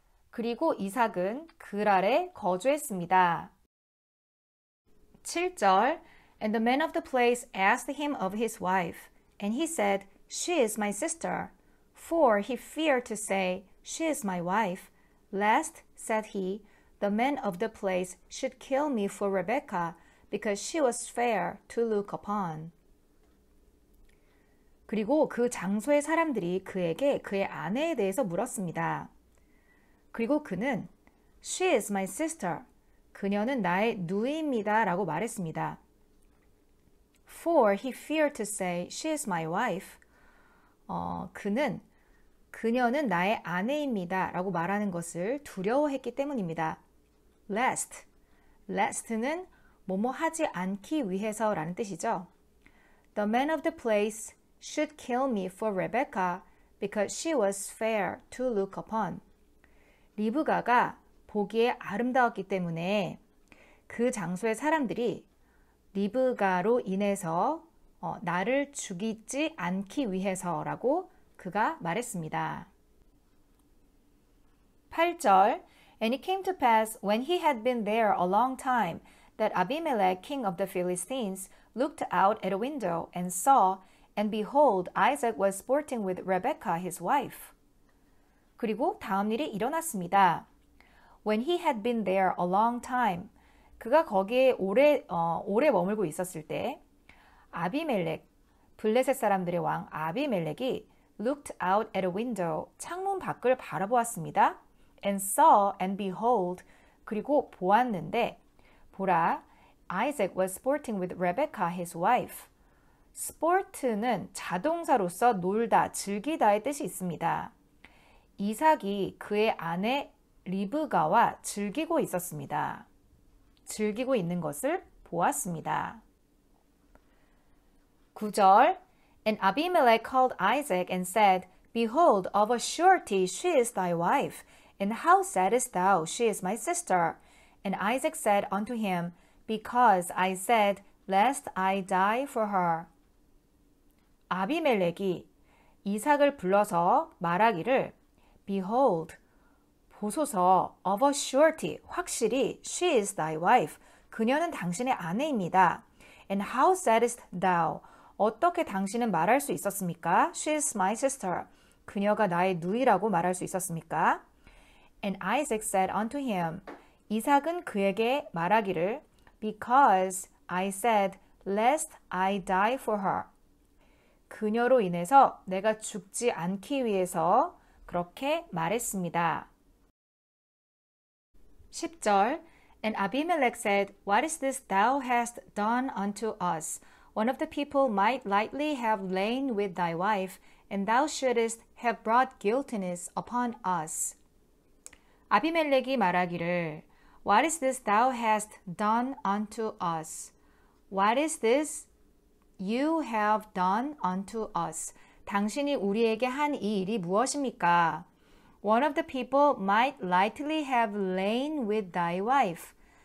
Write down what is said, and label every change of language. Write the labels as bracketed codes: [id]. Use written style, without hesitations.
[ko] 그리고 이삭은 그랄에 거주했습니다. 7절, [en] And the man of the place asked him of his wife, and he said, She is my sister. For he feared to say, She is my wife, lest, said he, the men of the place should kill me for Rebekah, because she was fair to look upon. [ko] 그리고 그 장소의 사람들이 그에게 그의 아내에 대해서 물었습니다. 그리고 그는 [en] She is my sister. [ko] 그녀는 나의 누이입니다. 라고 말했습니다. [en] For he feared to say she is my wife. [ko] 그는 그녀는 나의 아내입니다. 라고 말하는 것을 두려워했기 때문입니다. [en] Lest. [ko] Lest는 뭐뭐 하지 않기 위해서 라는 뜻이죠. [en] The man of the place should kill me for Rebecca because she was fair to look upon. [ko] 리브가가 보기에 아름다웠기 때문에 그 장소의 사람들이 리브가로 인해서 나를 죽이지 않기 위해서라고 그가 말했습니다. [en] 8절 And it came to pass when he had been there a long time that Abimelech, king of the Philistines, looked out at a window and saw, and behold, Isaac was sporting with Rebekah, his wife. [ko] 그리고 다음 일이 일어났습니다. [en] When he had been there a long time, [ko] 그가 거기에 오래 머물고 있었을 때, 아비멜렉, 블레셋 사람들의 왕 아비멜렉이 [en] looked out at a window, [ko] 창문 밖을 바라보았습니다. [en] And saw and behold, [ko] 그리고 보았는데, 보라, [en] Isaac was sporting with Rebecca, his wife. [ko] sport는 자동사로서 놀다, 즐기다의 뜻이 있습니다. 이삭이 그의 아내 리브가와 즐기고 있었습니다. 즐기고 있는 것을 보았습니다. [en] 9절 And Abimelech called Isaac and said, Behold, of a surety she is thy wife, and how saidest thou she is my sister? And Isaac said unto him, Because I said, lest I die for her. [ko] 아비멜렉이 이삭을 불러서 말하기를 [en] Behold, [ko] 보소서, [en] of a surety, [ko] 확실히, [en] she is thy wife, [ko] 그녀는 당신의 아내입니다. [en] And how saidest thou, [ko] 어떻게 당신은 말할 수 있었습니까? [en] She is my sister, [ko] 그녀가 나의 누이라고 말할 수 있었습니까? [en] And Isaac said unto him, [ko] 이삭은 그에게 말하기를, [en] Because I said, lest I die for her. [ko] 그녀로 인해서 내가 죽지 않기 위해서 그렇게 말했습니다. [en] 10절 And Abimelech said, What is this thou hast done unto us? One of the people might lightly have lain with thy wife, and thou shouldest have brought guiltiness upon us. [ko] 아비멜렉이 말하기를, [en] What is this thou hast done unto us? What is this you have done unto us? [ko] 당신이 우리에게 한 이 일이 무엇입니까? [en] One of the people might lightly have lain with thy wife.